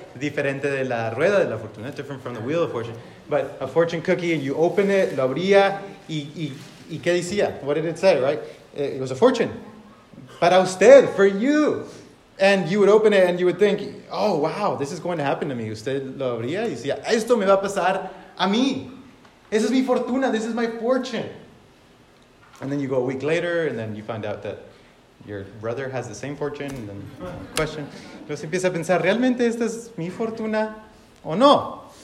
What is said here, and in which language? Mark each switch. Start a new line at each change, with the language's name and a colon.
Spanish: Diferente de la rueda de la fortuna.
English: Different from the wheel of fortune. But a fortune cookie, and you open it,
Spanish: lo abría, y ¿qué decía?
English: What did it say, right? It was a fortune.
Spanish: Para usted,
English: for you. And you would open it, and you would think, oh, wow, this is going to happen to me.
Spanish: Usted lo abría y decía, esto me va a pasar a mí. Esa es mi fortuna.
English: This is my fortune. And then you go a week later, and then you find out that your brother has the same fortune, and then question.
Spanish: Entonces empieza a pensar, ¿realmente esta es mi fortuna o no?